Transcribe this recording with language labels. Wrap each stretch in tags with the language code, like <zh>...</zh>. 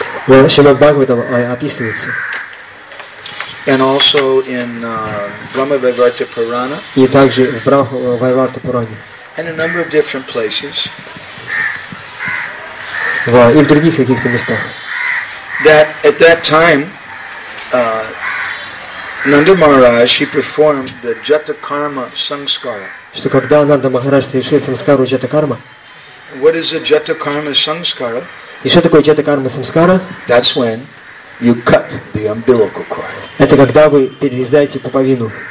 <en>Well,</en> <ru>Shrimad Bhagavatam описывается.</ru> <en>And also in Brahma Vaivarta Purana.</en> <ru>И также в Вайварта Пуране.</ru> <en>And a number of different places.</en> <ru>И в других каких-то местах.</ru> <en>That at that time, Nanda Maharaj, he performed the Jatakarma Sanskara.</en> <ru>Что когда Нанда Махарадж совершил самскару Джатакарма?</ru> <en>What is a Jatakarma Sanskara?</en> <ru>И что такое Джатакарма Самскара?</ru> <en>That's when you cut the umbilical cord.</en> <ru>Это когда вы перерезаете пуповину.</ru>